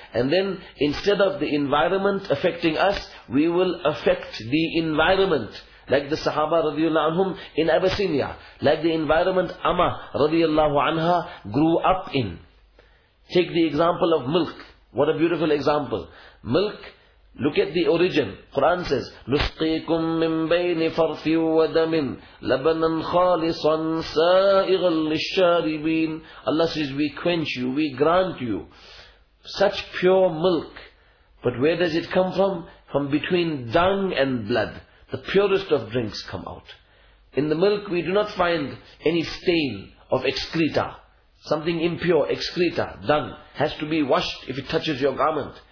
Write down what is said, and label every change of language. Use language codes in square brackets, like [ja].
[en] And then, instead of the environment affecting us, we will affect the environment. Like the Sahaba radiallahu anhum in Abyssinia, like the environment Amma radiallahu anha grew up in. Take the example of milk. What a beautiful example. Milk, look at the origin. Quran says, [ar] نُسْقِيكُم مِّن بَيْنِ فَرْثٍ وَدَمٍ لَبَنًا خَالِصًا سَائِغًا لِلشَّارِبِينَ. [en] Allah says, we quench you, we grant you such pure milk. But where does it come from? From between dung and blood. The purest of drinks come out. In the milk we do not find any stain of excreta. Something impure, excreta, dung, has to be washed if it touches your garment.